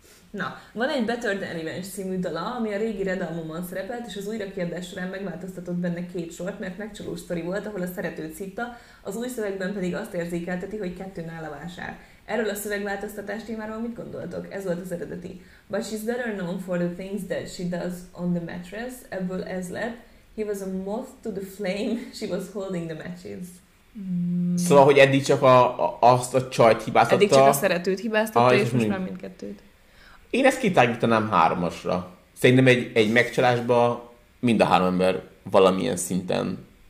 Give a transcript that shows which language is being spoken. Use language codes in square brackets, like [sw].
[hu] Na, van egy Better Than Revenge című dala, ami a régi Red Albumon szerepelt, és az újrakiadás során megváltoztatott benne két sort, mert megcsaló sztori volt, ahol a szeretőt szitta, az új szövegben pedig azt érzékelteti, hogy kettő nála vásár. Erről a szövegváltoztatás témáról mit gondoltok? Ez volt az eredeti. [en] But she's better known for the things that she does on the mattress. [hu] Ebből ez lett. [en] He was a moth to the flame. She was holding the matches. [hu] Szóval, hogy eddig csak azt a csajt hibáztatta. Eddig csak a szeretőt hibáztatta, és most már mindkettőt. Én ezt kitágítanám hármasra. Szerintem egy megcsalásba mind a három ember valamilyen szinten.